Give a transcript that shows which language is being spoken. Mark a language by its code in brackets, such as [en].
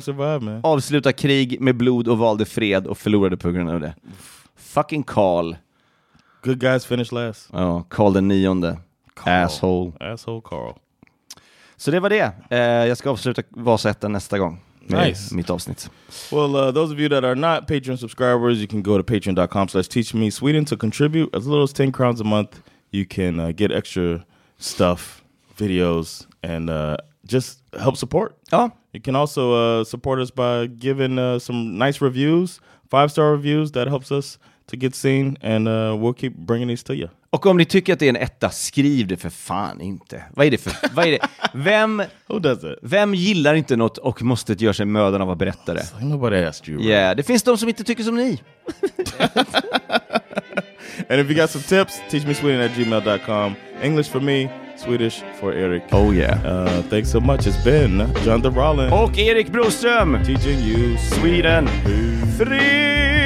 [en] survive, [sv] avsluta krig med blod och valde fred och förlorade på grund av det. [en] Fucking Carl. Good guys finish last. [sv] Ja, oh, Carl den nionde. Carl. Asshole. [en] Asshole Carl. [sv] Så det var det. Jag ska avsluta Vasa-ätten nästa gång. [en] Nice. [sv] Mitt avsnitt. [en] Well, those of you that are not Patreon subscribers, you can go to patreon.com/teachmesweden to contribute as little as 10 crowns a month. You can get extra stuff, videos, and just help support. Oh. You can also support us by giving some nice reviews, 5-star reviews. That helps us to get seen, and we'll keep bringing these to you. [sv] Och om ni tycker att det är en etta, skriv det för fan inte. Vad är det för? Vad är det? Vem? [en] Who does it? [sv] Vem gillar inte något och måste göra sig mödan av att berätta det? [en] So nobody asked you. [sv] Yeah, det finns de som inte tycker som ni. [en] And if you got some tips, teachmesweden@gmail.com. English for me, Swedish for Eric. Oh yeah. Thanks so much. It's been John DeRollin. [sv] Och Erik Broström. [en] Teaching you Sweden. Free.